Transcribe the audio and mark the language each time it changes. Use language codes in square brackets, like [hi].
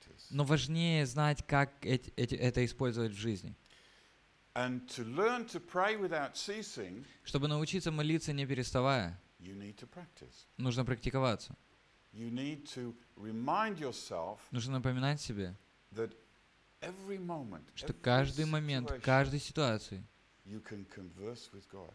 [ru] Но важнее знать, как это использовать в жизни. [en] And to learn to pray without ceasing, [ru] чтобы научиться молиться не переставая, [en] you need to practice. [ru] Нужно практиковаться. [en] You need to remind yourself, [ru] нужно напоминать себе, [en] that every moment, [ru] что каждый момент, [en] situation, [ru] каждой ситуации [en] you can converse with God.